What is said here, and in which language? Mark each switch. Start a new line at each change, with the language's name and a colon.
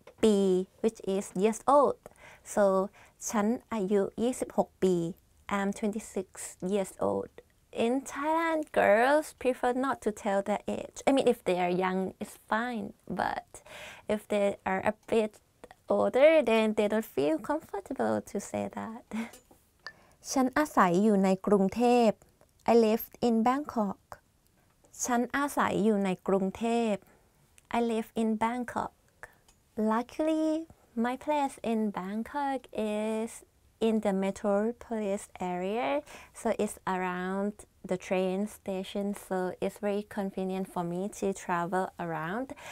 English: ปี which is years old so
Thai: ฉันอายุ26ปี
English: I'm 26 years old in Thailand girls prefer not to tell their age I mean if they are young it's fine but if they are a bit older then they don't feel comfortable to say that
Thai: ฉันอาศัยอยู่ในกรุงเทพ
English: I live in Bangkok
Thai: ฉันอาศัยอยู่ในกรุงเทพ
English: I live in Bangkok Luckily, my place in Bangkok is in the metropolis area, so it's around the train station, so it's very convenient for me to travel around.